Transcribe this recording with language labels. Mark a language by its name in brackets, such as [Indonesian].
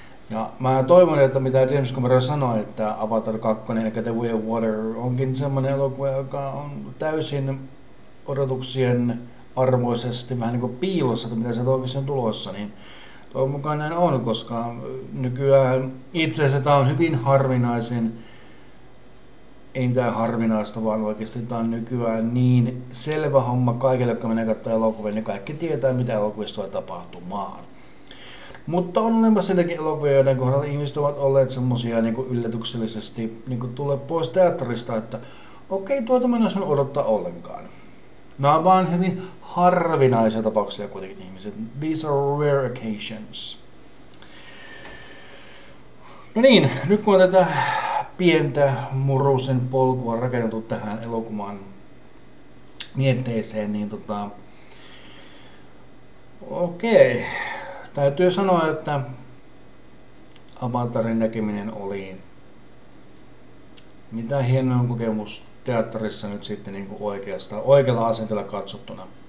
[Finnish] Ja mä toivon, että mitä James Cameron sanoi, että Avatar 2, eli The Way of Water, onkin semmoinen elokuva, joka on täysin odotuksien arvoisesti vähän niin kuin piilossa, että mitä se oikeasti on tulossa, niin toivon mukaan näin on, koska nykyään itse asiassa tämä on hyvin harvinaisen, ei mitään harvinaista, vaan oikeasti tämä on nykyään niin selvä homma kaikille, jotka menee katsomaan elokuvia, niin kaikki tietää, mitä elokuvissa tulee tapahtumaan. Mutta on olemassa sitäkin elokuvia, joiden kohdalla ihmiset ovat olleet semmoisia niin kuin yllätyksellisesti, niin kuin tulee pois teatterista, että okei, tuota mä en osaa odottaa ollenkaan. Nämä on vaan hyvin harvinaisia tapauksia kuitenkin ihmiset. [English] These are rare occasions. [Finnish] No niin, nyt kun on tätä pientä murusen polkua rakennettu tähän elokuvan mietteeseen, niin okei. Täytyy sanoa, että Avatarin näkeminen oli mitä hienoa kokemus teatterissa nyt sitten niin kuin oikealla asenteella katsottuna.